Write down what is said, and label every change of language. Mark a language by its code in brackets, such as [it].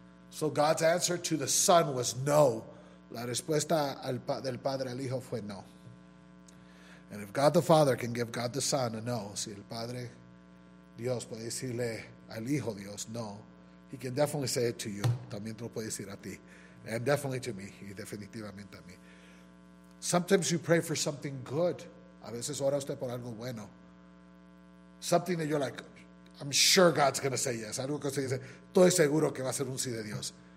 [en] So God's answer to the Son was no. [es] La respuesta del Padre al Hijo fue no. [en] And if God the Father can give God the Son a no, [es] si el Padre Dios puede decirle al Hijo Dios no, [en] he can definitely say it to you. [es] También te lo puede decir a ti. [en] And definitely to me. [es] Y definitivamente a mí. [en] Sometimes you pray for something good. [es] A veces ora usted por algo bueno. [en] Something that you're like, I'm sure God's going to say yes. [es] Algo que usted dice, estoy seguro que va a ser un sí de Dios.